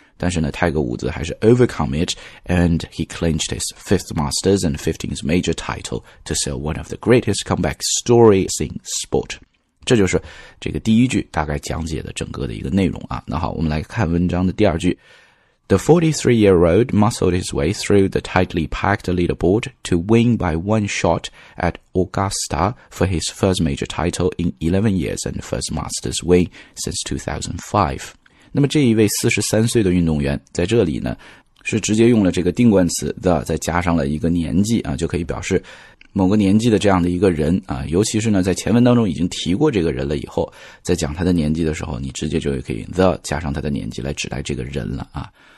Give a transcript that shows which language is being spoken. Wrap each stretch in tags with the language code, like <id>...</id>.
<zh>但是呢泰格伍兹还是</zh> <en>overcome it and he clinched his 5th Masters and 15th Major title to sell one of the greatest comeback stories in sport。</en> <zh>这就是这个第一句大概讲解的整个的一个内容啊。那好，我们来看文章的第二句。</zh> <en>The 43-year-old muscled his way through the tightly packed leaderboard to win by one shot at Augusta for his first major title in 11 years and first Masters win since 2005。</en> <zh>那么这一位43岁的运动员在这里呢是直接用了这个定冠词 the 再加上了一个年纪啊，就可以表示某个年纪的这样的一个人啊。尤其是呢在前文当中已经提过这个人了以后，在讲他的年纪的时候，你直接就可以 the 加上他的年纪来指代这个人了啊。</zh>